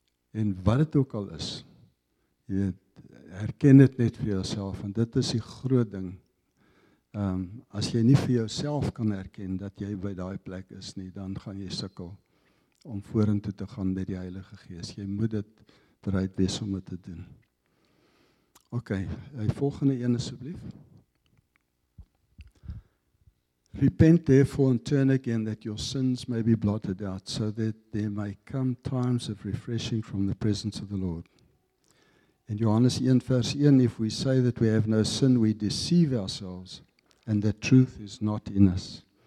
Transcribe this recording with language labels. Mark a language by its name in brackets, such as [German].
[Afrikaans] En wat dit ook al is, jy weet, herken dit net vir jouself, en dit is die groot ding. As jy nie vir jouself kan herken dat jy by daai plek is nie, dan gaan jy sukkel om vorentoe te gaan met die Heilige Gees. Jy moet dit bereid wees om dit te doen. Oké, okay, die volgende een asseblief. [English] Repent therefore and turn again that your sins may be blotted out so that there may come times of refreshing from the presence of the Lord. [Afrikaans] In Johannes 1 vers 1, [English] if we say that we have no sin, we deceive ourselves and the truth is not in us.